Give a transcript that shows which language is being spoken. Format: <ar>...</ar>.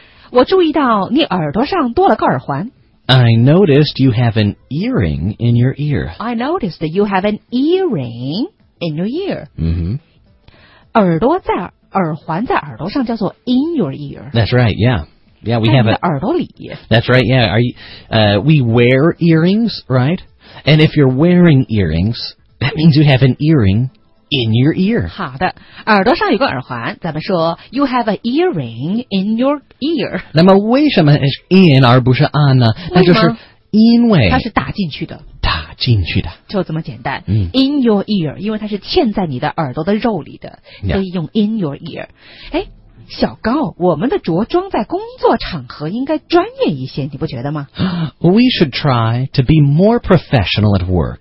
<zh>我注意到你耳朵上多了个耳环。</zh> <en>I noticed you have an earring in your ear. I noticed that you have an earring in your ear. Mm-hmm.</en> <zh>耳朵在耳环在耳朵上叫做</zh> <en>in your ear. That's right, yeah. Yeah, we have it.</en> <zh>在耳朵里。</zh> <en>That's right, yeah. We wear earrings, right? And if you're wearing earrings, that means you have an earring in your ear.</en> <zh>好的，耳朵上有个耳环，咱们说</zh> <en>you have an earring in your ear.</en> <zh>那么为什么是 in 而不是 on 呢？那就是因为它是打进去的，打进去的，就这么简单。</zh> <en>In your ear，</en> <zh>因为它是嵌在你的耳朵的肉里的，所以用 in your ear。哎，小高，我们的着装在工作场合应该专业一些，你不觉得吗</zh> <en>？We should try to be more professional at work.</en>